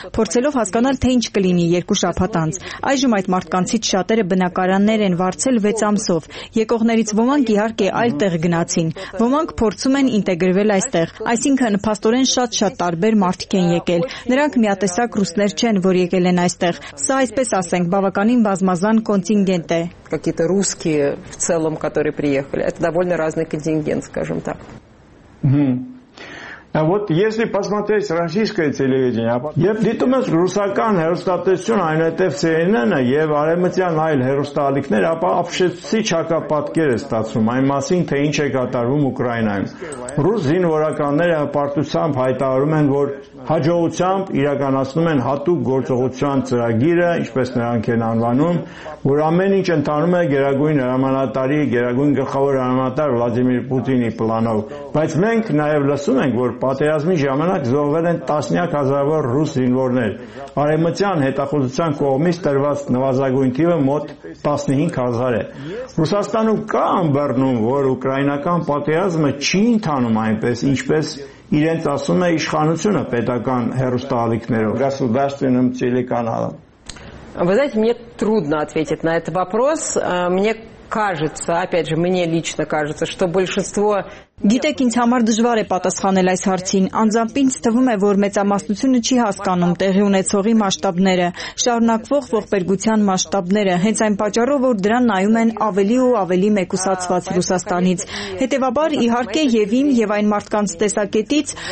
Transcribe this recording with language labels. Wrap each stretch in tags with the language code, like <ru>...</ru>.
<hy>փորձելով հասկանալ, թե ինչ կլինի երկու շաբաթ անց, այժմ այդ մարդկանցից շատերը բնակարաններ են վարձել 6 ամսով։ Եկողներից ոմանք իհարկե այլ տեղ գնացին, ոմանք փորձում են ինտեգրվել այստեղ, այսինքն փաստորեն շատ-շատ տարբեր մարդիկ են եկել, նրանք միատեսակ ռուսներ չեն, որ եկել են այստեղ, սա այսպես ասենք բավականին բազմազան կոնտինգենտ է։</hy> <ru>Какие-то русские в целом, которые приехали, это довольно разный контингент, скажем так. А вот если посмотреть российское телевидение,</ru> <hy>я դիտում եմ ռուսական հեռուստատեսություն, այնուհետև CNN-ը եւ արեմտյան այլ հեռուստալիքներ, ապա ապշեցի չակապատկեր է ստացվում այն մասին, թե ինչ է կատարվում Ուկրաինայում։ Ռուս զինվորականները հպարտությամբ հայտարարում են, որ հաջողությամբ իրականացնում են հատուկ գործողության ծրագիրը, ինչպես նրանք են անվանում, որ ամեն ինչ ընդառնում է Գերագույն հրամանատարի, Գերագույն գլխավոր հրամանատար Վլադիմիր Պուտինի պլանով, բայց մենք նաեւ լսում ենք, որ պատերազմի ժամանակ զոհվել են տասնյակ հազարավոր ռուս զինվորներ։ Արևմտյան հետախուզության կողմից տրված նվազագույն թիվը մոտ 15,000 է։ Ռուսաստանը կա ամբռնում, որ ուկրաինական պատերազմը չի ընթանում այնպես, ինչպես իրենց ասում է իշխանությունը պետական հեռուստահալիքներով։ Գասուդաստենում ցելիկանալը։</hy> <ru>Вы знаете, мне трудно ответить на этот вопрос. Мне кажется, опять же, мне лично кажется, что большинство.</ru> <hy>Գիտեք, ինձ համար դժվար է պատասխանել այս հարցին։ Անձամբ ինձ թվում է, որ մեծամասնությունը չի հասկանում տեղի ունեցողի մասշտաբները, շարունակվող ողբերգության մասշտաբները, հենց այն պատճառով, որ դրան նայում են ավելի ու ավելի մեկուսացված Ռուսաստանից։ Հետևաբար, իհարկե, եւ իմ, եւ այն մարդկանց տեսակետից,</hy>